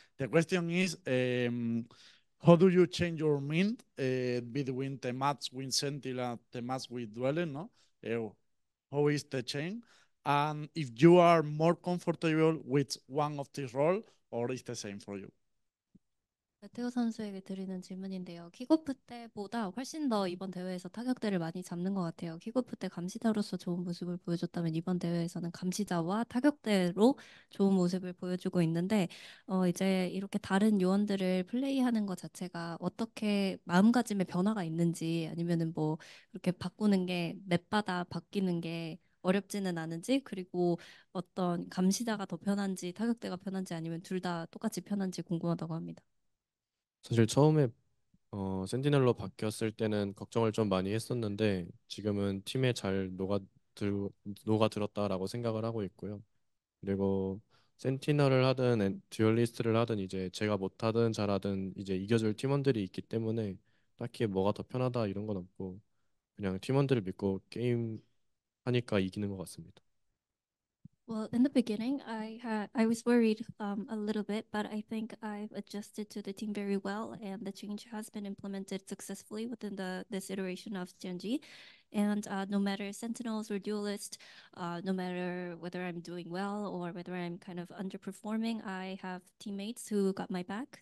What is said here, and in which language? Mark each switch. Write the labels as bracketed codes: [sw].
[en] The question is, how do you change your mind between the match with Sentinel and the match with duels, no? How is the change? And if you are more comfortable with one of these roles, or is the same for you? [ko] 메테오 선수에게 드리는 질문인데요. 킥오프 때보다 훨씬 더 이번 대회에서 타격대를 많이 잡는 것 같아요. 킥오프 때 감시자로서 좋은 모습을 보여줬다면 이번 대회에서는 감시자와 타격대로 좋은 모습을 보여주고 있는데, 이제 이렇게 다른 요원들을 플레이하는 것 자체가 어떻게 마음가짐의 변화가 있는지, 아니면은 뭐 이렇게 바꾸는 게 맵마다 바뀌는 게 어렵지는 않은지, 그리고 어떤 감시자가 더 편한지 타격대가 편한지 아니면 둘 다 똑같이 편한지 궁금하다고 합니다. 사실 처음에 센티넬로 바뀌었을 때는 걱정을 좀 많이 했었는데, 지금은 팀에 잘 녹아들었다라고 생각을 하고 있고요. 그리고 센티넬을 하든 듀얼리스트를 하든 이제 제가 못하든 잘하든 이제 이겨줄 팀원들이 있기 때문에 딱히 뭐가 더 편하다 이런 건 없고, 그냥 팀원들을 믿고 게임 하니까 이기는 것 같습니다. [en] Well, in the beginning, I was worried a little bit, but I think I've adjusted to the team very well, and the change has been implemented successfully within this iteration of Gen.G. And no matter Sentinels or Duelist, no matter whether I'm doing well or whether I'm kind of underperforming, I have teammates who got my back.